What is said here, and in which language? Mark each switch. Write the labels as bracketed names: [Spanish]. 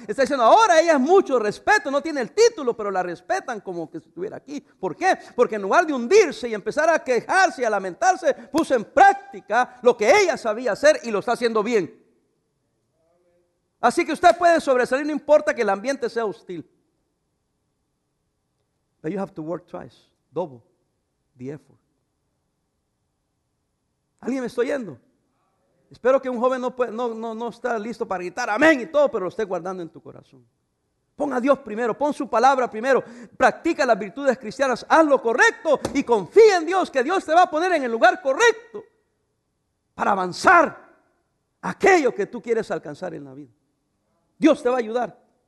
[Spanish] Está diciendo, ahora ella es mucho respeto, no tiene el título, pero la respetan como que estuviera aquí. ¿Por qué? Porque en lugar de hundirse y empezar a quejarse y a lamentarse, puso en práctica lo que ella sabía hacer y lo está haciendo bien. Así que usted puede sobresalir, no importa que el ambiente sea hostil. [English] But you have to work twice, double the effort. [Spanish] ¿Alguien me está oyendo? Espero que un joven no está listo para gritar amén y todo, pero lo esté guardando en tu corazón. Pon a Dios primero, pon su palabra primero, practica las virtudes cristianas, haz lo correcto y confía en Dios, que Dios te va a poner en el lugar correcto para avanzar aquello que tú quieres alcanzar en la vida. Dios te va a ayudar.